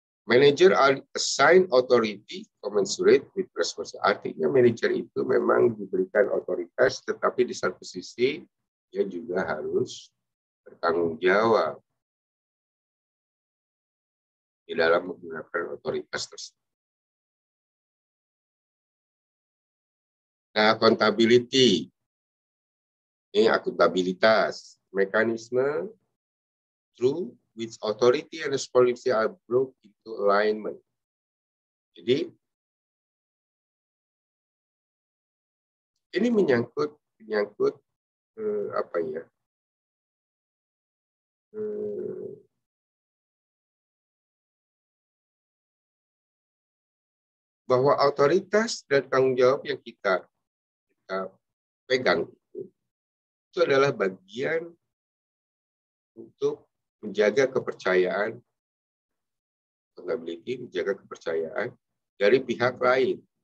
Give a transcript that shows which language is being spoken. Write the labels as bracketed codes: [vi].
[en] Manager assign authority commensurate with responsibility. [id] Artinya manager itu memang diberikan otoritas, tetapi di satu sisi dia juga harus bertanggung jawab di dalam menggunakan otoritas tersebut. Nah, accountability. Ini akuntabilitas. [en] Mekanisme through which authority and responsibility are brought into alignment. Jadi, [id] ini menyangkut menyangkut apa ya? Bahwa otoritas dan tanggung jawab yang kita pegang itu adalah bagian untuk menjaga kepercayaan pengemudi, menjaga kepercayaan dari pihak lain.